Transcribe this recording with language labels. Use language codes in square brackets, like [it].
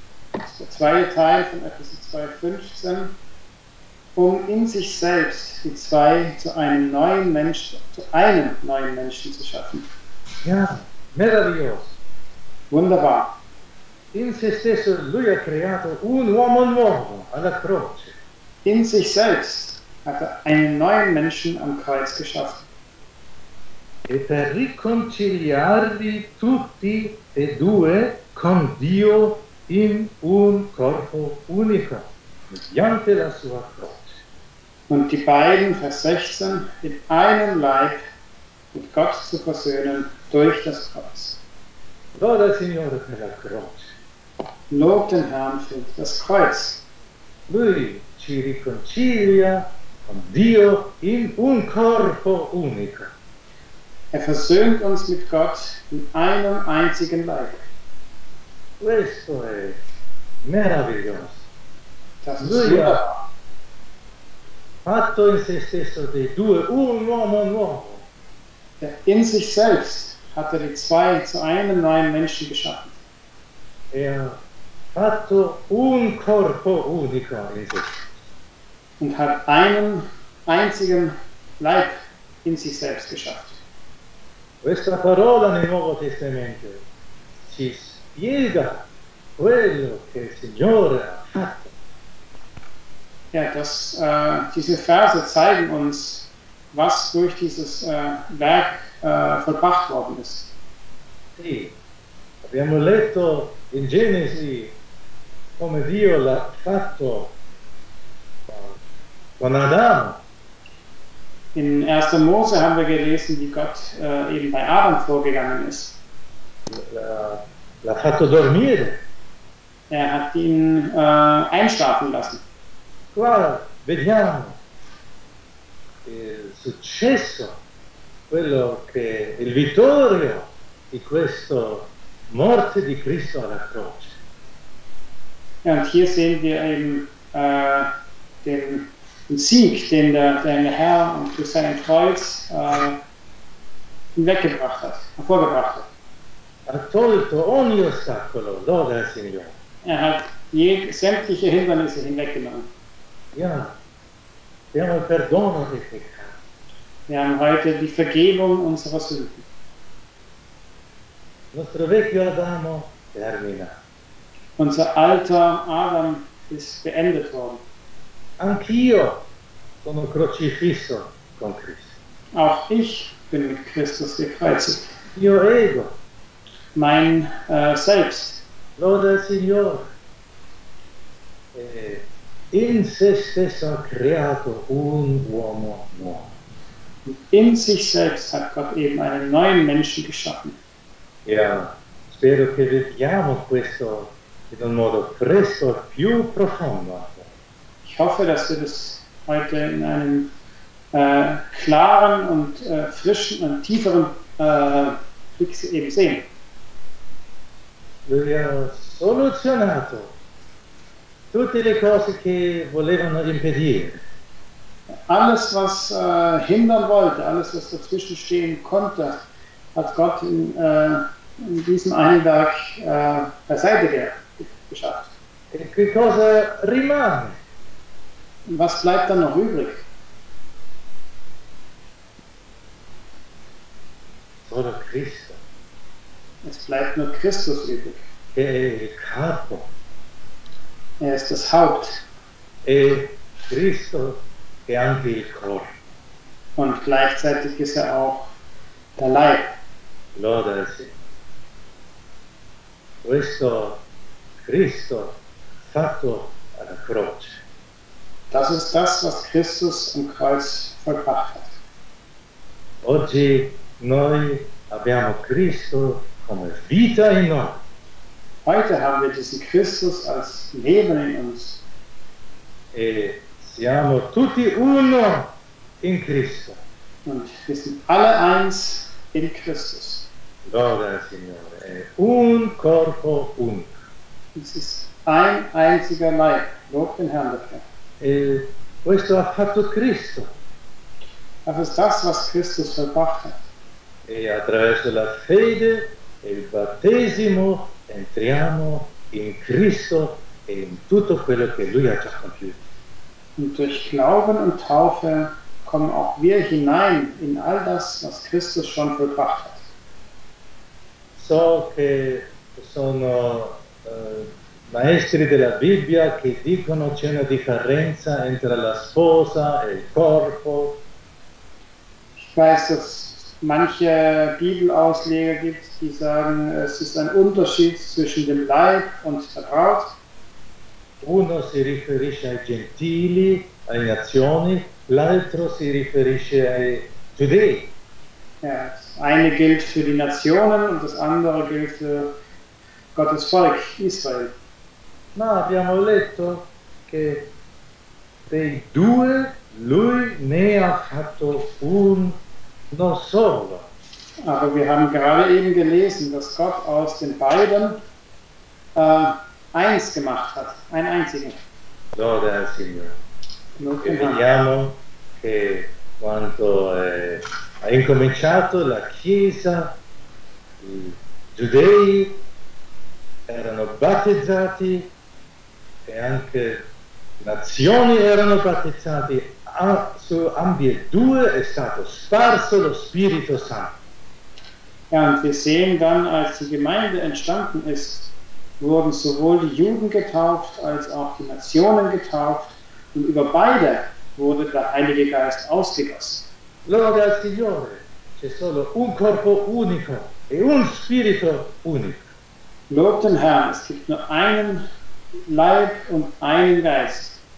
[it] Questo è il [de] zweite Teil von Epheser [it] 2, 15. [de] Um in sich selbst die zwei zu einem neuen Menschen zu schaffen. [it] Ja, meraviglioso. [de] Wunderbar. [it] In se stesso lui ha creato un uomo nuovo alla croce. [de] In sich selbst hat er einen neuen Menschen am Kreuz geschaffen. [it] E per riconciliarvi tutti e due con Dio in un corpo unico, mediante la sua croce. [de] Und die beiden, Vers 16, in einem Leib mit Gott zu versöhnen durch das Kreuz. [it] Loda Signore per la croce. [de] Lob den Herrn für das Kreuz. [it] Lui ci riconcilia con Dio in un corpo unico. [de] Er versöhnt uns mit Gott in einem einzigen Leib. [it] Questo è meraviglioso. [de] Das ist wunderbar. [it] Fatto in se stesso dei due un uomo nuovo. [de] In sich selbst hat er die zwei zu einem neuen Menschen geschaffen. [it] Er fatto un corpo unico in [de] und hat einen einzigen Leib in sich selbst geschafft. [it] Questa parola nel Nuovo Testamento ci spiega quello che il Signore ha fatto. [de] Ja, das, diese Verse zeigen uns, was durch dieses Werk vollbracht worden ist. [it] Sì, abbiamo letto in Genesi come Dio l'ha fatto con Adamo. [de] In 1. Mose haben wir gelesen, wie Gott eben bei Adam vorgegangen ist. [it] L'ha fatto dormire. [de] Er hat ihn einschlafen lassen. [it] Qua vediamo il successo, quello che il vittorio di questa morte di Cristo alla croce. [de] Ja, und hier sehen wir eben den Sieg, den der Herr durch sein Kreuz hinweggebracht hat, hervorgebracht hat. [it] Ha tolto ogni ostacolo, lode al Signore. [de] Er hat sämtliche Hindernisse hinweggenommen. Ja, wir haben [it] perdono dei peccati. [de] Wir haben heute die Vergebung unserer Sünden. [it] Nostro vecchio Adamo termina. [de] Unser alter Adam ist beendet worden. [it] Anch'io sono crocifisso con Cristo. [de] Auch ich bin mit Christus gekreuzigt. [it] Io ego. [de] Mein Selbst. [it] Lode al Signore. In se stesso ha creato un uomo nuovo. [de] In sich selbst hat Gott eben einen neuen Menschen geschaffen. [it] Ja, spero che vediamo questo in un modo presto più profondo. [de] Ich hoffe, dass wir das heute in einem klaren und frischen und tieferen Blick eben sehen. [it] Lui ha soluzionato tutte le cose che volevano impedire. [de] Alles, was hindern wollte, alles, was dazwischen stehen konnte, hat Gott in diesem einen Werk beiseite geschafft. [it] Che cosa rimane? [de] Was bleibt dann noch übrig? [it] Solo Cristo. [de] Es bleibt nur Christus übrig. [it] Che è il capo. [de] Er ist das Haupt. [it] E Cristo è anche il corpo. [de] Und gleichzeitig ist er auch der Leib. [it] Lode al Signore. Questo Cristo fatto alla croce. [de] Das ist das, was Christus am Kreuz vollbracht hat. [it] Oggi noi abbiamo Cristo come vita in noi. [de] Heute haben wir diesen Christus als Leben in uns. [it] E siamo tutti uno in Cristo. [de] Und wir sind alle eins in Christus. [it] Gloria al Signore. E un corpo unico. [de] Es ist ein einziger Leib. Lob den Herrn dafür. [it] E questo ha fatto Cristo. [de] Das ist das, was Christus vollbracht hat. [it] E attraverso la fede e il battesimo entriamo in Cristo e in tutto quello che lui ha già compiuto. [de] Und durch Glauben und Taufe kommen auch wir hinein in all das, was Christus schon vollbracht hat. [it] So che sono maestri della Bibbia che dicono c'è una differenza entre la sposa e il corpo. [de] Ich weiß, dass manche Bibelausleger gibt, die sagen, es ist ein Unterschied zwischen dem Leib und der Braut. [it] Uno si riferisce ai gentili, alle nazioni, l'altro si riferisce ai giudei. [de] Ja, das eine gilt für die Nationen und das andere gilt für Gottes Volk, Israel. [it] Ma abbiamo letto che dei due lui ne ha fatto un non solo. [de] Aber wir haben gerade eben gelesen, dass Gott aus den beiden eins gemacht hat, ein einziger. [it] Lode al Signore. E vediamo che quando ha incominciato la Chiesa, i giudei erano battezzati e anche nazioni erano battezzati, su ambedue è stato sparso lo Spirito Santo. [de] Ja, und wir sehen dann, als die Gemeinde entstanden ist, wurden sowohl die Juden getauft, als auch die Nationen getauft, und über beide wurde der Heilige Geist ausgegossen. [it] Lode al Signore, c'è solo un corpo unico e un spirito unico. [de] Lobt den Herrn, es gibt nur einen Leib und einen Geist.